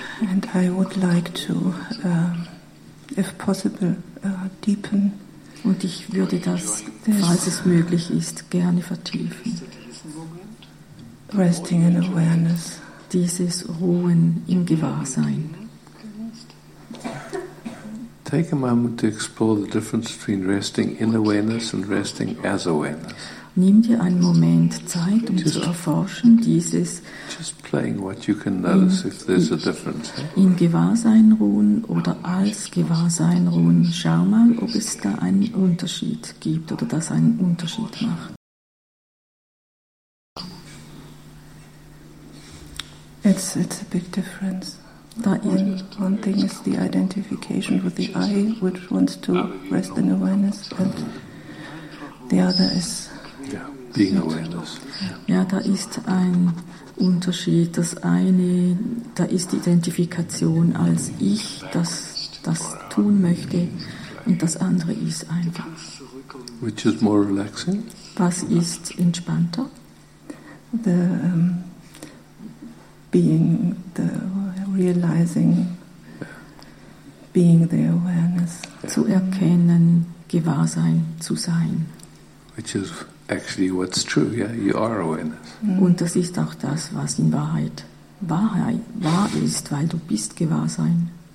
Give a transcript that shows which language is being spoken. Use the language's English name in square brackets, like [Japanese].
[English] And I would like to, if possible, deepen. [German] Und ich würde das, falls es möglich ist, gerne vertiefen. [English] Resting in awareness. [German] Dieses Ruhen im Gewahrsein. [English] Take a moment to explore the difference between resting in awareness and resting as awareness. [German] Nimm dir einen Moment Zeit, um zu erforschen dieses. [English] Just playing what you can notice if there's a difference. [German] Im Gewahrsein ruhen oder als Gewahrsein ruhen. Schau mal, ob es da einen Unterschied gibt oder das einen Unterschied macht. [English] It's a big difference. One thing is the identification with the I, which wants to rest in awareness, and the other is being awareness. [German] Ja, da ist ein Unterschied. Das eine, da ist die Identifikation als ich, das das tun möchte, und das andere ist einfach. [English] Which is more relaxing? [German] Was ist entspannter? [English] The being the realizing, being the awareness, [German] zu erkennen, Gewahrsein zu sein. [English] Which is actually what's true, yeah, you are awareness. [German] Und das ist auch das, was in Wahrheit wahr ist, weil du bist Gewahrsein.